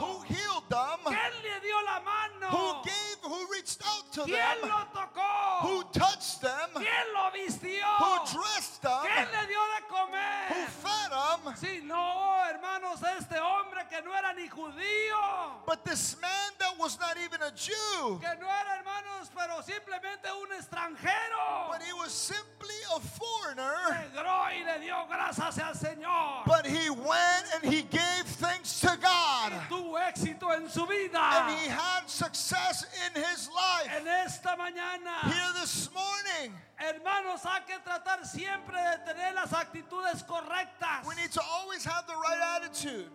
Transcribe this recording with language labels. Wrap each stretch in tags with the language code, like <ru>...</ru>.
<en>who healed them,</en> <es>quién le dio la mano,</es> <en>who gave, who reached out to</en> <es>quién</es> <en>them,</en> <es>lo tocó,</es> <en>who touched them,</en> <es>quién lo vistió,</es> <en>who dressed them,</en> <es>quién le dio de comer,</es> <en>who fed them.</en> <es>Sí, no, hermanos, este hombre que no era ni judío.</es> <en>But this man that was not even a Jew.</en> <es>Que no era, hermanos, pero simplemente un extranjero.</es> <en>But he was simply a foreigner.</en> <es>Negró y le dio gracias al Señor.</es> <en>But he went and he gave thanks to God.</en> <es>Y tuvo éxito en su vida.</es> <en>And he had success in his life.</en> <es>En esta mañana.</es> <en>Here this morning.</en> <es>Hermanos, hay que tratar siempre de tener las actitudes correctas.</es> <en>We need to always have the right attitude.</en>